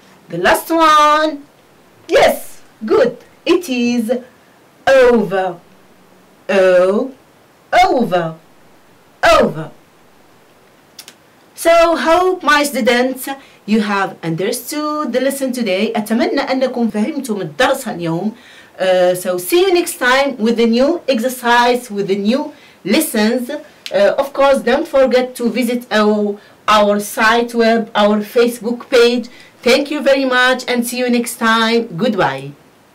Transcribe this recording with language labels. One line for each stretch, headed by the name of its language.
English: The last one. Yes, good. It is over, o, over, over. So, hope my students, you have understood the lesson today.
Arabic: أتمنى أنكم فهمتم الدرس اليوم.
English: So, see you next time with the new exercise, with the new lessons. Of course, don't forget to visit our site web, our Facebook page. Thank you very much and see you next time. Goodbye.